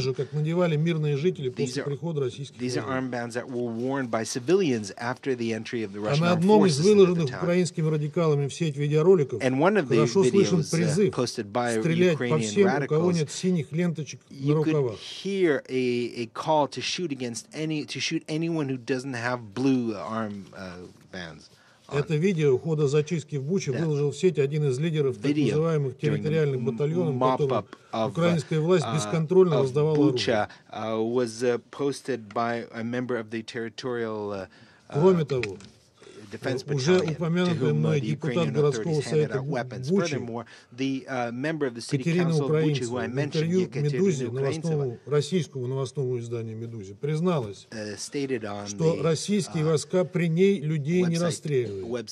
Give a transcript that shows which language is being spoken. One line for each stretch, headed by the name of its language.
Russian: же, как надевали мирные жители после прихода российских войск. А на одном из выложенных украинскими радикалами в сеть видеороликов хорошо слышен призыв стрелять по всем, у кого нет синих ленточек на рукавах.
English: To shoot anyone who doesn't have blue armbands.
Russian: Это видео хода зачистки в Буче выложил в сеть один из лидеров так называемых территориальных батальонов, которым украинская власть бесконтрольно раздавала оружие.
English: Was posted by a member of the territorial
Russian: Кроме того, уже упомянутый мной депутат городского совета Бучи, Екатерина Украинцева, в интервью «Медузе», российскому новостному изданию «Медузе», призналась, что российские войска при ней людей не расстреливали.